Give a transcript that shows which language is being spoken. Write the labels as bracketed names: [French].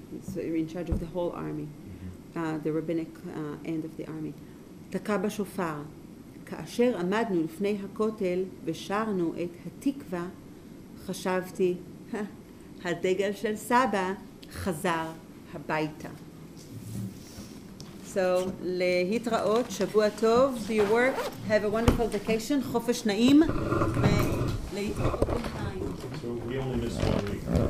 [English] It's in charge of the whole army. The rabbinic end of the army. [Hebrew] תקע בשופר. כאשר עמדנו לפני הכותל ושרנו את התקווה, חשבתי, הדגל של סבא חזר הביתה. [English] So, להתראות, [Hebrew] שבוע טוב, [English] do your work, have a wonderful vacation, [Hebrew] חופש נעים, ולהתראות בינתיים. [English] So, we only missed one week.